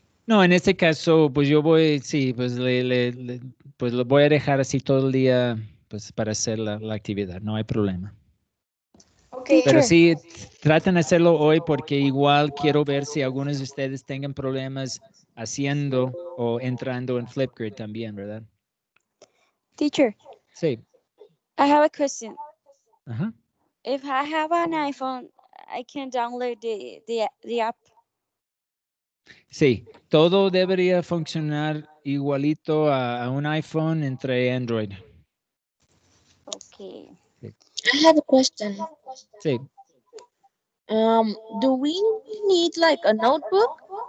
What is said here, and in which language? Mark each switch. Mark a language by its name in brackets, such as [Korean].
[Spanish] No, en este caso, pues yo voy, sí, pues pues lo voy a dejar así todo el día, pues para hacer la actividad, no hay problema. [English] Okay. [Spanish] Pero sí, traten de hacerlo hoy porque igual quiero ver si algunos de ustedes tengan problemas haciendo o entrando en Flipgrid también, ¿verdad? [English] Teacher. [Spanish] Sí. [English] I have a question. Uh-huh. If I have an iPhone, I can download the app. [Spanish] Sí, todo debería funcionar igualito a un iPhone entre Android. [English] Okay. Sí. I have a question. [Spanish] Sí. [English] Do we need like a notebook?